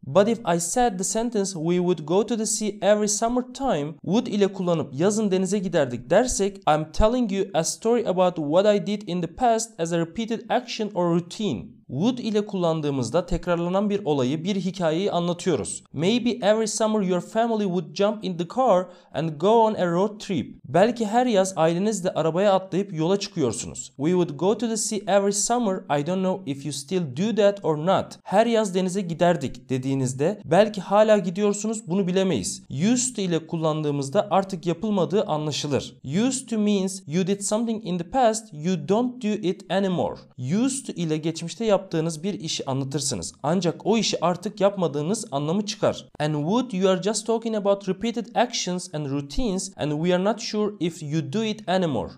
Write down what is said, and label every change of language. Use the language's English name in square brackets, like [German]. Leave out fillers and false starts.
[English] But if I said the sentence, we would go to the sea every summer time, would [Turkish] ile kullanıp yazın denize giderdik dersek, [English] I'm telling you a story about what I did in the past as a repeated action or routine. [Turkish] Would ile kullandığımızda tekrarlanan bir olayı, bir hikayeyi anlatıyoruz. [English] Maybe every summer your family would jump in the car and go on a road trip. [Turkish] Belki her yaz ailenizle arabaya atlayıp yola çıkıyorsunuz. [English] We would go to the sea every summer. I don't know if you still do that or not. [Turkish] Her yaz denize giderdik dediğinizde belki hala gidiyorsunuz, bunu bilemeyiz. Used ile kullandığımızda artık yapılmadığı anlaşılır. [English] Used to means you did something in the past, you don't do it anymore. [Turkish] Used ile geçmişte yaptığınız bir işi anlatırsınız. Ancak o işi artık yapmadığınız anlamı çıkar. [English] And would you are just talking about repeated actions and routines and we are not sure if you do it anymore.